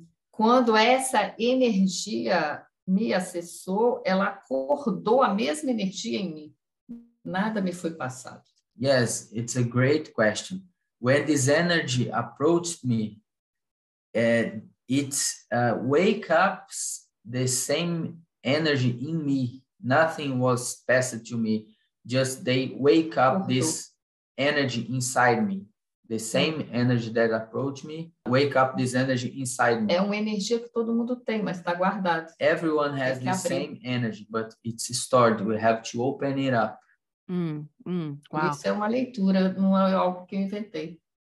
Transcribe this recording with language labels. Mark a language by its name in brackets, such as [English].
[Portuguese] quando essa energia me acessou, ela acordou a mesma energia em mim. Nada me foi passado. [English] Yes, it's a great question. When this energy approached me, it wakes up the same energy in me. Nothing was passed to me. Just they wake up this energy inside me. The same energy that approached me, wake up this energy inside me. [Portuguese] É uma energia que todo mundo tem, mas está guardado. [English] Everyone has the same energy, but it's stored. We have to open it up. Wow. [Portuguese] Isso é uma leitura, não é algo que eu inventei.